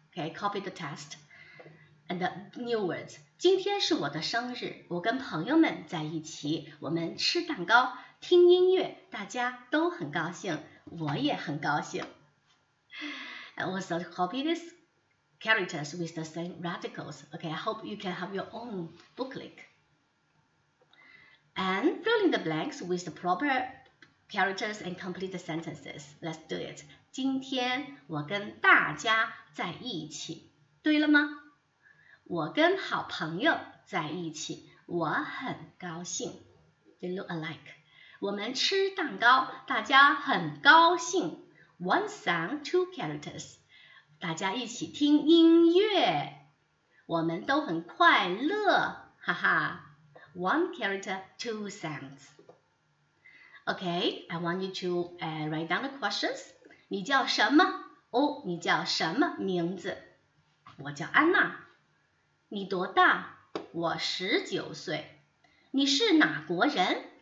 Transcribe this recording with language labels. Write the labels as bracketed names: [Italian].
[English] Okay, copy the test and the new words. [Chinese] 今天是我的生日，我跟朋友们在一起，我们吃蛋糕，听音乐，大家都很高兴，我也很高兴。 [English] And also copy this. Characters with the same radicals. Okay, I hope you can have your own booklet. And fill in the blanks with the proper characters and complete the sentences. Let's do it. [Chinese] 今天我跟大家在一起。对了吗？我跟好朋友在一起。我很高兴。 [English] They look alike. [Chinese] 我们吃蛋糕，大家很高兴。 [English] One sound, two characters. [Chinese] 大家一起听音乐，我们都很快乐，哈哈。 [English] One character, two sounds. Okay, I want you to write down the questions. [Chinese] 你叫什么？哦，你叫什么名字？我叫安娜。你多大？我19岁。你是哪国人？